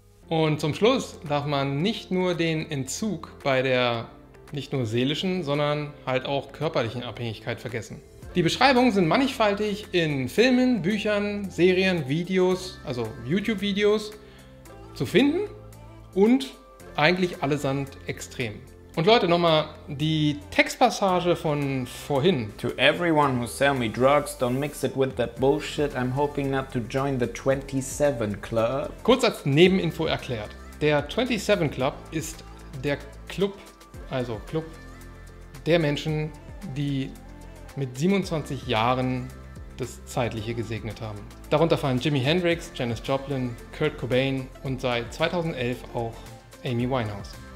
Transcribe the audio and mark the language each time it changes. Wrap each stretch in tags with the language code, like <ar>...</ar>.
<de>Und zum Schluss darf man nicht nur den Entzug bei der nicht nur seelischen, sondern halt auch körperlichen Abhängigkeit vergessen. Die Beschreibungen sind mannigfaltig in Filmen, Büchern, Serien, Videos, also YouTube-Videos, zu finden und eigentlich allesamt extrem. Und Leute, nochmal die Textpassage von vorhin.</de> <en>To everyone who sell me drugs, don't mix it with that bullshit, I'm hoping not to join the 27 Club.</en> <de>Kurz als Nebeninfo erklärt, der 27 Club ist der Club, also Club der Menschen, die mit 27 Jahren das Zeitliche gesegnet haben. Darunter fallen Jimi Hendrix, Janis Joplin, Kurt Cobain und seit 2011 auch Amy Winehouse.</de>